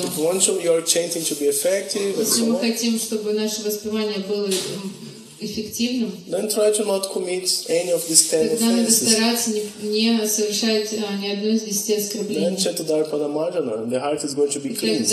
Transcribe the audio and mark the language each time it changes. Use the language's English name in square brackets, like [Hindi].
[English] If you want your chanting to be effective, [Russian] если мы хотим, чтобы наше воспевание было эффективным, [English] then try to not commit any of these ten offenses. [Russian] Тогда надо стараться не совершать ни одно из десяти оскорблений. [English] Then Chetadarpa Namarjana, the heart is going to be cleansed.